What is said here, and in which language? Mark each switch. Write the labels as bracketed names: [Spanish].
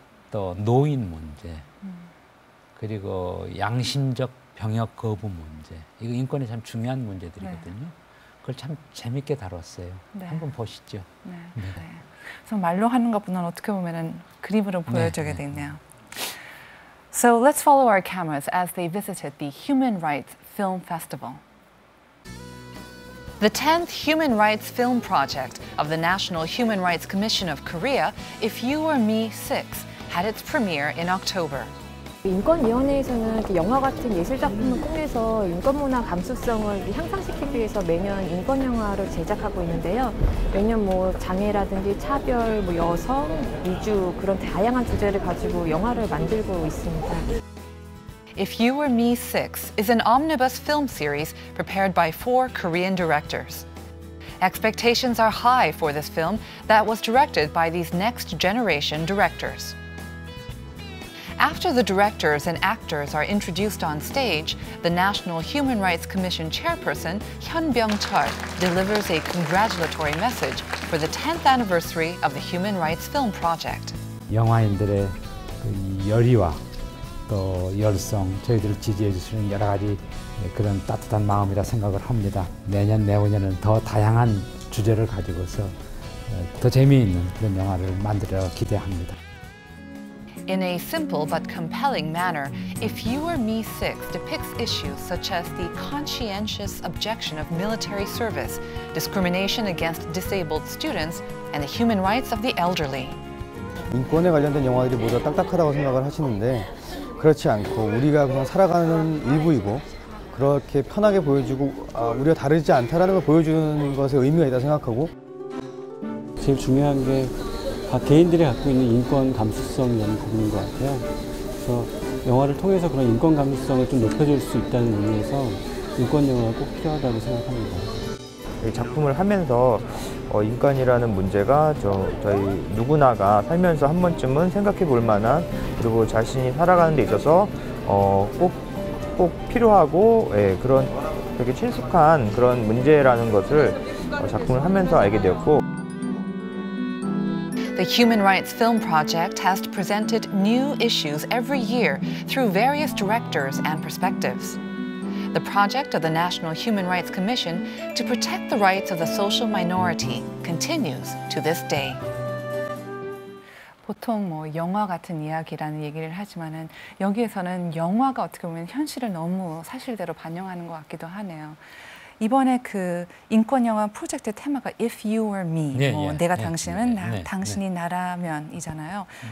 [Korean] 또 노인 문제 그리고 양심적 병역 거부 문제 이거 인권에 참 중요한 문제들이거든요. 네. 그걸 참 재밌게 다뤘어요. 네. 한번 보시죠. 네. 네. 그래서 말로 하는 것보다는 어떻게 보면은 그림으로 보여주게 되네요. 네. [English] So let's follow our cameras as they visited the Human Rights Film Festival. The 10th Human Rights Film Project of the National Human Rights Commission of Korea, If You Were Me 6, had its premiere in October. [Korean] 인권위원회에서는 영화 같은 예술 작품을 통해서 인권 문화 감수성을 향상시키기 위해서 매년 인권 영화를 제작하고 있는데요. 매년 뭐 장애라든지 차별, 뭐 여성, 이주 그런 다양한 주제를 가지고 영화를 만들고 있습니다. [English] If You Were Me 6 is an omnibus film series prepared by four Korean directors. Expectations are high for this film that was directed by these next generation directors. After the directors and actors are introduced on stage, the National Human Rights Commission chairperson, Hyun Byung-chul, delivers a congratulatory message for the 10th anniversary of the Human Rights Film Project. [Korean] 영화인들의 그 열의와 또 열성, 저희들을 지지해 주시는 여러 가지 그런 따뜻한 마음이라 생각을 합니다. 내년, 내후년은 더 다양한 주제를 가지고서 더 재미있는 그런 영화를 만들어 기대합니다. [English] In a simple but compelling manner, If You Were Me 6 depicts issues such as the conscientious objection of military service, discrimination against disabled students, and the human rights of the elderly. [Korean] 인권에 관련된 영화들이 모두 딱딱하다고 생각을 하시는데 그렇지 않고 우리가 그냥 살아가는 일부이고 그렇게 편하게 보여주고 우리가 다르지 않다라는 걸 보여주는 것에 의미가 있다 생각하고 제일 중요한 게 각 개인들이 갖고 있는 인권 감수성이라는 부분인 것 같아요. 그래서 영화를 통해서 그런 인권 감수성을 좀 높여줄 수 있다는 의미에서 인권 영화가 꼭 필요하다고 생각합니다. 작품을 하면서 인권이라는 문제가 저희 누구나가 살면서 한 번쯤은 생각해 볼 만한, 그리고 자신이 살아가는 데 있어서 꼭 필요하고 그런 되게 친숙한 그런 문제라는 것을 작품을 하면서 알게 되었고. [English] The Human Rights Film Project has presented new issues every year through various directors and perspectives. The project of the National Human Rights Commission to protect the rights of the social minority continues to this day. [Korean] 보통 뭐 영화 같은 이야기라는 얘기를 하지만은 여기에서는 영화가 어떻게 보면 현실을 너무 사실대로 반영하는 것 같기도 하네요. 이번에 그 인권 영화 프로젝트 테마가 If You Were Me, 당신이 나라면이잖아요.